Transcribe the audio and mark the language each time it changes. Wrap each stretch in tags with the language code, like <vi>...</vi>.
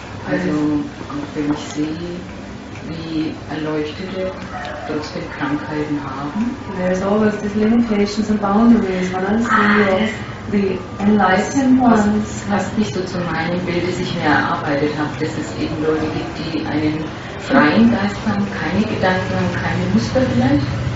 <de>Also auch wenn ich sehe, wie Erleuchtete trotzdem Krankheiten haben.</de> <en>There's always these limitations and boundaries, when I see the enlightened ones.</en> <de>Was nicht so zu meinem Bild, das ich mir erarbeitet habe, dass es eben Leute gibt, die einen freien Geist haben, keine Gedanken und keine Muster vielleicht.</de>